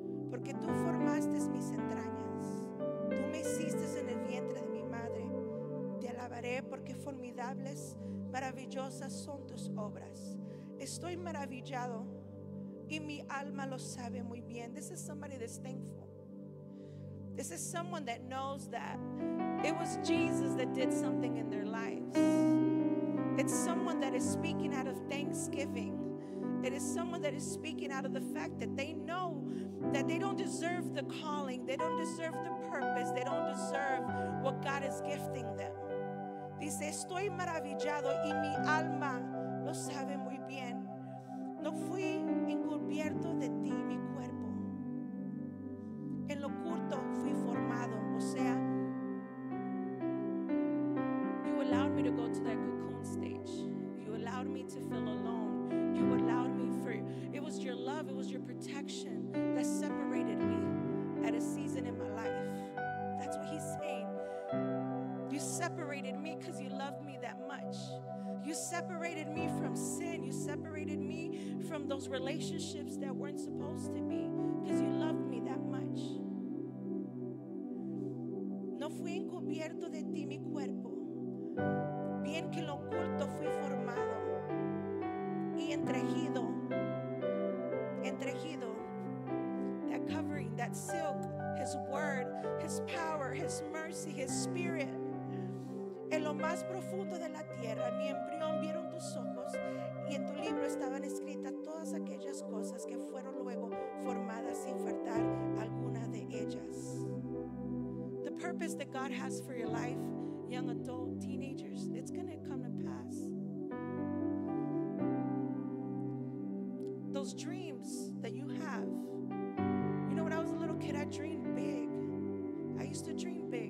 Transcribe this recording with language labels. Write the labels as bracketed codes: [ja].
[es] Porque tú formaste mis entrañas. Tú me hiciste en el vientre de mi madre. alabaré porque formidables, maravillosas son tus obras. Estoy maravillado y mi alma lo sabe muy bien. [en] This is somebody that's thankful. This is someone that knows that it was Jesus that did something in their lives. It's someone that is speaking out of thanksgiving. It is someone that is speaking out of the fact that they know that they don't deserve the calling. They don't deserve the purpose. They don't deserve what God is gifting them. [es] Dice, estoy maravillado y mi alma lo sabe muy bien. No fui encubierto de ti, mi cuerpo. En lo oculto fui formado. O sea, [en] you allowed me to go to that cocoon stage. You allowed me to feel alone. You allowed me for, it was your love, it was your protection that separated me at a season in my life. That's what he's saying. You separated me because you loved me that much. You separated me from sin. You separated me from those relationships that weren't supposed to be because you loved me that much. [es] No fui encubierto de ti mi cuerpo, bien que lo oculto fui formado y entregido, entregido. [en] That covering, that silk, his word, his power, his mercy, his spirit. [es] En lo más profundo de la tierra, mi embrión vieron tus ojos, y en tu libro estaban escritas todas aquellas cosas que fueron luego formadas sin faltar alguna de ellas. [en] The purpose that God has for your life, young adult, teenagers, it's going to come to pass. Those dreams that you have. You know, when I was a little kid, I dreamed big. I used to dream big.